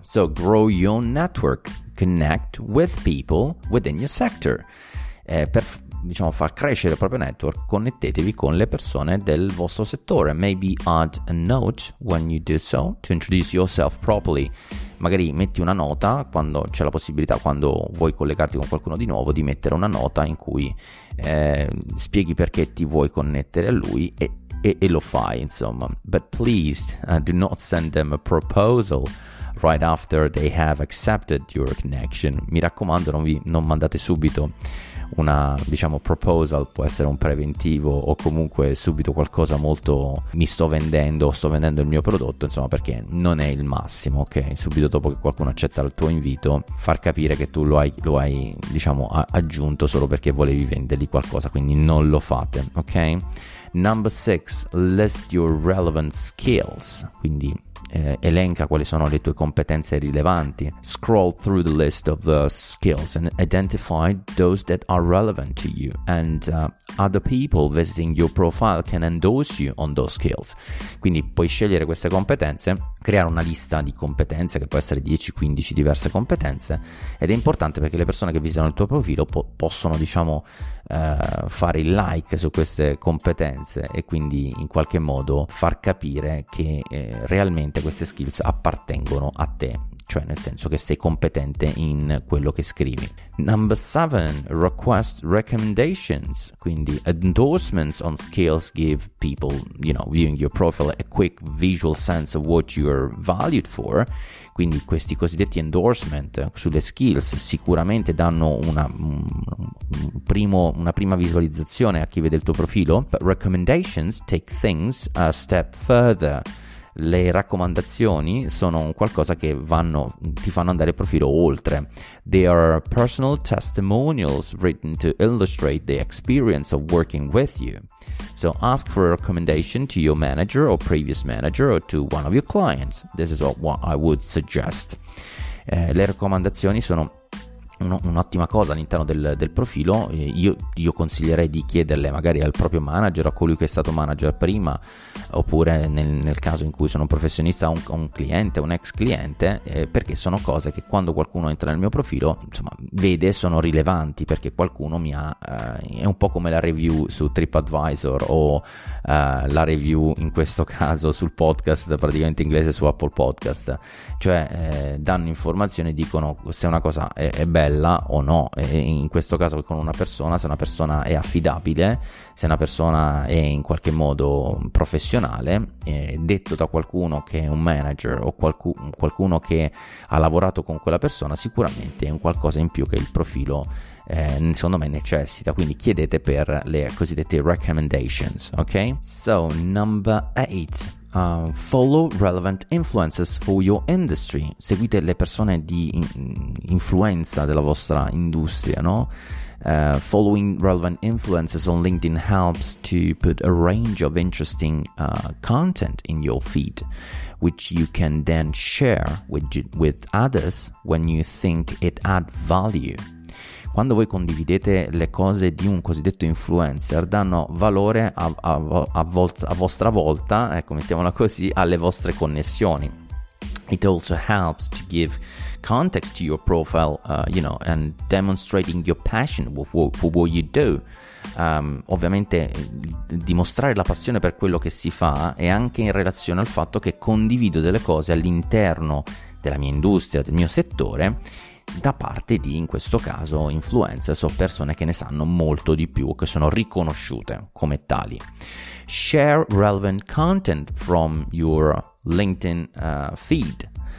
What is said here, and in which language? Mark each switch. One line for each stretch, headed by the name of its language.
English: So grow your network, connect with people within your sector.
Italian: Per, diciamo, far crescere il proprio network, connettetevi con le persone del vostro settore.
English: Maybe add a note when you do so to introduce yourself properly.
Italian: Magari metti una nota quando c'è la possibilità, quando vuoi collegarti con qualcuno di nuovo, di mettere una nota in cui spieghi perché ti vuoi connettere a lui e lo fai, insomma.
English: But please do not send them a proposal right after they have accepted your connection.
Italian: Mi raccomando, non mandate subito una, diciamo, proposal. Può essere un preventivo o comunque subito qualcosa molto mi sto vendendo, sto vendendo il mio prodotto, insomma, perché non è il massimo, ok? Subito dopo che qualcuno accetta il tuo invito, far capire che tu lo hai diciamo aggiunto solo perché volevi vendergli qualcosa, quindi non lo fate, ok?
English: Number 6, list your relevant skills.
Italian: Quindi elenca quali sono le tue competenze rilevanti.
English: Scroll through the list of the skills and identify those that are relevant to you, and other people visiting your profile can endorse you on those skills.
Italian: Quindi puoi scegliere queste competenze, creare una lista di competenze che può essere 10-15 diverse competenze, ed è importante perché le persone che visitano il tuo profilo possono, diciamo, fare il like su queste competenze e quindi in qualche modo far capire che realmente queste skills appartengono a te, cioè nel senso che sei competente in quello che scrivi.
English: Number 7, request recommendations. Quindi endorsements on skills give people, you know, viewing your profile a quick visual sense of what you're valued for.
Italian: Quindi questi cosiddetti endorsement sulle skills sicuramente danno una prima visualizzazione a chi vede il tuo profilo.
English: But recommendations take things a step further.
Italian: Le raccomandazioni sono qualcosa che ti fanno andare il profilo oltre.
English: They are personal testimonials written to illustrate the experience of working with you. So ask for a recommendation to your manager or previous manager or to one of your clients. This is what I would suggest.
Italian: Le raccomandazioni sono un'ottima cosa all'interno del profilo. Io consiglierei di chiederle magari al proprio manager, a colui che è stato manager prima, oppure nel caso in cui sono un professionista, un cliente, un ex cliente, perché sono cose che quando qualcuno entra nel mio profilo, insomma, vede, sono rilevanti, perché qualcuno mi ha, è un po' come la review su TripAdvisor o la review in questo caso sul podcast praticamente inglese su Apple Podcast, cioè danno informazioni, dicono se una cosa è bella o no, e in questo caso con una persona, se una persona è affidabile, se una persona è in qualche modo professionale, detto da qualcuno che è un manager o qualcuno che ha lavorato con quella persona, sicuramente è un qualcosa in più che il profilo secondo me necessita. Quindi chiedete per le cosiddette recommendations, ok?
English: So number 8, follow relevant influencers for your industry.
Italian: Seguite le persone di influenza della vostra industria, no?
English: Following relevant influencers on LinkedIn helps to put a range of interesting content in your feed, which you can then share with others when you think it add value.
Italian: Quando voi condividete le cose di un cosiddetto influencer, danno valore a vostra volta, ecco, mettiamola così, alle vostre connessioni.
English: It also helps to give context to your profile, you know, and demonstrating your passion for what you do.
Italian: Ovviamente dimostrare la passione per quello che si fa è anche in relazione al fatto che condivido delle cose all'interno della mia industria, del mio settore, da parte di, in questo caso, influencers o persone che ne sanno molto di più, che sono riconosciute come tali.
English: Share relevant content from your LinkedIn feed.